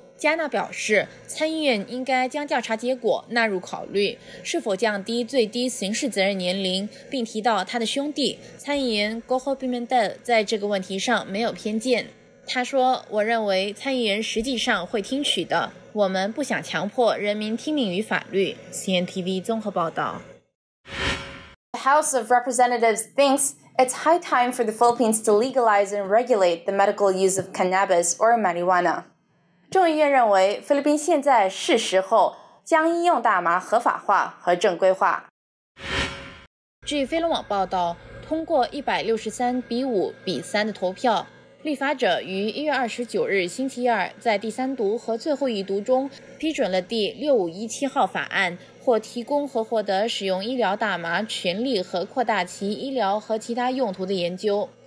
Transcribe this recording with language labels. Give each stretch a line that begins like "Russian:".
Chinese: 加纳表示，参议院应该将调查结果纳入考虑，是否降低最低刑事责任年龄，并提到他的兄弟参议员 Gojo Pimentel 在这个问题上没有偏见。他说，我认为参议员实际上会听取的，我们不想强迫人民听命于法律。 CNTV 综合报道。
English: The House of Representatives thinks it's high time for the Philippines to legalize and regulate the medical use of cannabis or marijuana.
Chinese: 众议院认为，菲律宾现在是时候将医用大麻合法化和正规化。据飞龙网报道，通过163-5:3的投票，立法者于1月29日星期二在第三读和最后一读中批准了第6517号法案，或提供和获得使用医疗大麻权利和扩大其医疗和其他用途的研究。